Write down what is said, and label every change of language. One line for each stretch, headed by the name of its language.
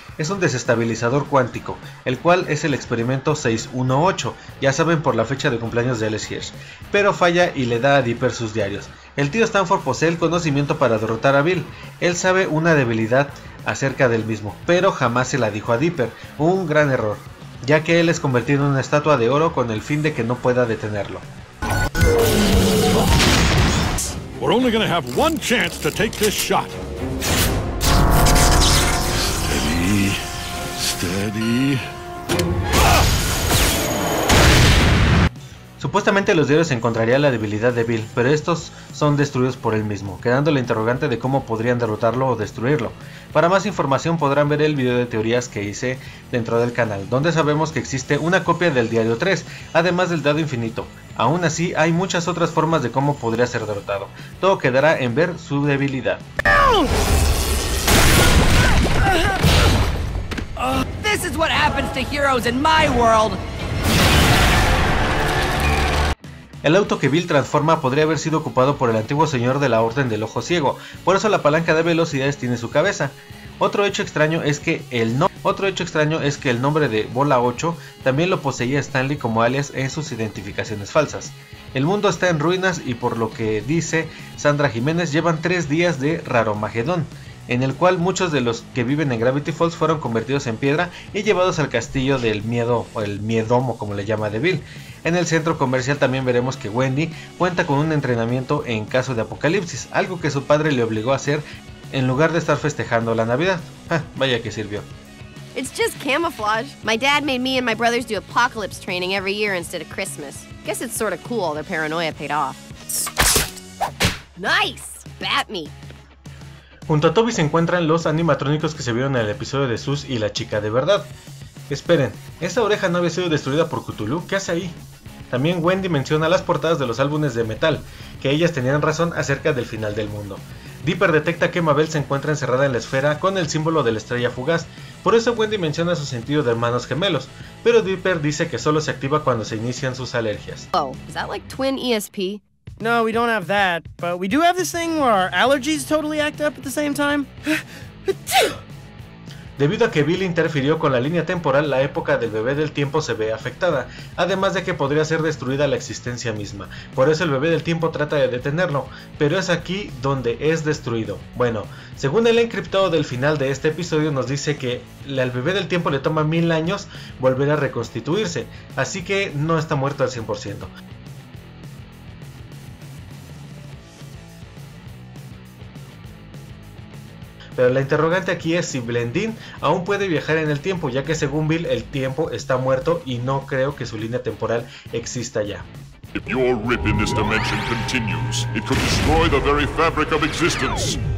Spanish: Es un desestabilizador cuántico, el cual es el experimento 618, ya saben por la fecha de cumpleaños de Alice Hirsch, pero falla y le da a Dipper sus diarios. El tío Stanford posee el conocimiento para derrotar a Bill. Él sabe una debilidad acerca del mismo, pero jamás se la dijo a Dipper, un gran error, ya que él es convertido en una estatua de oro con el fin de que no pueda detenerlo.
English: We're only gonna have one chance to take this shot. Steady, steady.
Spanish: Supuestamente los diarios encontrarían la debilidad de Bill, pero estos son destruidos por él mismo, quedando la interrogante de cómo podrían derrotarlo o destruirlo. Para más información podrán ver el video de teorías que hice dentro del canal, donde sabemos que existe una copia del diario 3, además del dado infinito. Aún así, hay muchas otras formas de cómo podría ser derrotado. Todo quedará en ver su debilidad.
English: This is what happens to heroes in my world.
Spanish: El auto que Bill transforma podría haber sido ocupado por el antiguo señor de la Orden del Ojo Ciego, por eso la palanca de velocidades tiene su cabeza. Otro hecho extraño es que el nombre de Bola 8 también lo poseía Stanley como alias en sus identificaciones falsas. El mundo está en ruinas y por lo que dice Sandra Jiménez llevan 3 días de Raromagedón. en el cual muchos de los que viven en Gravity Falls fueron convertidos en piedra y llevados al castillo del miedo, o el miedomo como le llama Deville. En el centro comercial también veremos que Wendy cuenta con un entrenamiento en caso de apocalipsis, algo que su padre le obligó a hacer en lugar de estar festejando la Navidad. Vaya que sirvió.
English: It's just camouflage. My dad made me and my brothers do apocalypse training every year instead of Christmas. Guess it's sort of cool their paranoia paid off. Nice! Bat me!
Spanish: Junto a Toby se encuentran los animatrónicos que se vieron en el episodio de Sus y la chica de verdad. Esperen, ¿esa oreja no había sido destruida por Cthulhu? ¿Qué hace ahí? También Wendy menciona las portadas de los álbumes de metal, que ellas tenían razón acerca del final del mundo. Dipper detecta que Mabel se encuentra encerrada en la esfera con el símbolo de la estrella fugaz, por eso Wendy menciona su sentido de hermanos gemelos, pero Dipper dice que solo se activa cuando se inician sus alergias.
English: Oh, is that like twin ESP? No, we don't have that, but we do have this thing where our allergies totally act up at the same time.
Spanish: Debido a que Bill interfirió con la línea temporal, la época del bebé del tiempo se ve afectada, además de que podría ser destruida la existencia misma. Por eso el bebé del tiempo trata de detenerlo, pero es aquí donde es destruido. Bueno, según el encriptado del final de este episodio nos dice que al bebé del tiempo le toma 1000 años volver a reconstituirse, así que no está muerto al 100%. Pero la interrogante aquí es si Blendin aún puede viajar en el tiempo, ya que según Bill el tiempo está muerto y no creo que su línea temporal exista ya.
English: If your rip in this dimension continues, it could destroy the very fabric of existence.